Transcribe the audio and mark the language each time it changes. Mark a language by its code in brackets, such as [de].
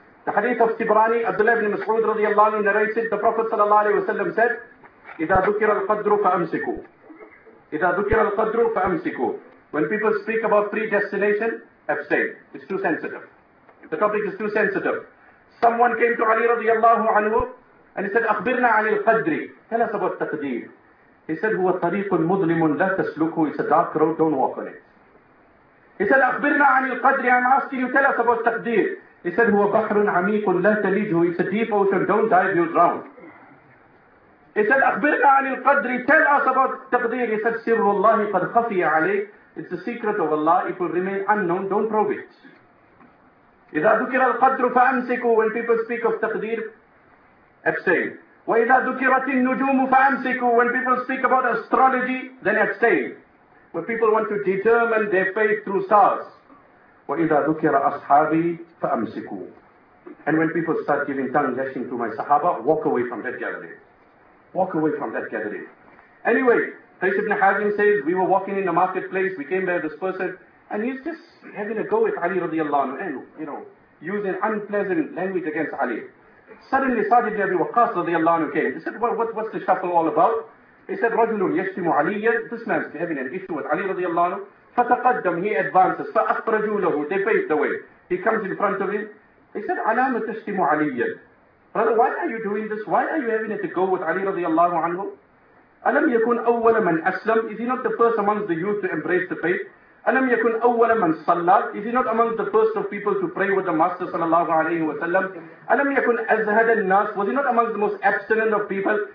[en] The hadith of Tibrani, Abdullah ibn Mas'ud رضي الله عنه narrates it. The Prophet صلى الله عليه وسلم said, [ar] إذا ذكر القدر فأمسكوا. إذا ذكر القدر فأمسكوا. [en] When people speak about predestination, abstain. It's too sensitive. The topic is too sensitive. Someone came to Ali radiallahu anhu and he said, [ar] أخبرنا عن القدر. [en] Tell us about taqdeer. He said, [ar] هو طريق مظلم لا تسلكه. [en] It's a dark road, don't walk on it. He said, [ar] أخبرنا عن القدر. [en] I'm asking you, tell us about taqdeer. He said, [ar] هو بحر عميق لا تلجه. [en] It's a deep ocean, don't dive, you'll drown. He said, [ar] أخبرنا عن القدر. [en] Tell us about taqdeer. He said, [ar] سر الله قد خفي عليك. [en] It's the secret of Allah. It will remain unknown, don't probe it. [ar] إذا ذكر القدر فأمسكوا. [en] When people speak of تقدير, abstain. [ar] وإذا ذكرت النجوم فأمسكوا. [en] When people speak about astrology, then abstain. When people want to determine their faith through stars. [ar] وإذا ذكر أصحابي فأمسكوا. [en] And when people start giving tongue lashing to my Sahaba, walk away from that gathering. Walk away from that gathering. Anyway, Qais ibn Hazim says, we were walking in the marketplace, we came by this person, and he's just having a go at Ali radiallahu anhu, and, you know, using unpleasant language against Ali. Suddenly, Sa'd ibn Abi Waqqas radiallahu anhu came. He said, what's the shuffle all about? He said, [ar] رَجُلٌ يَشْتِمُ عَلِيًّا. [en] This man's having an issue with Ali radiallahu anhu. [ar] فَتَقَدَّمْ. [en] He advances. [ar] فَأَخْرَجُوا لَهُ. [en] They paved the way. He comes in front of him. He said, [ar] عَلَامَ تَشْتِمُ عَلِيًّا. [en] Brother, why are you doing this? Why are you having to go with Ali radiallahu anhu? [ar] أَلَمْ يَكُنْ أَوَّلَ مَنْ أَسْلَمْ. [en] Is he not the first amongst the youth to embrace the faith? [ar] Alam yakun awwala man salla, [en] is he not among the first of people to pray with the Master sallallahu alayhi wa sallam? [ar] Alam yakun azhad al-nas, [en] was he not among the most abstinent of people?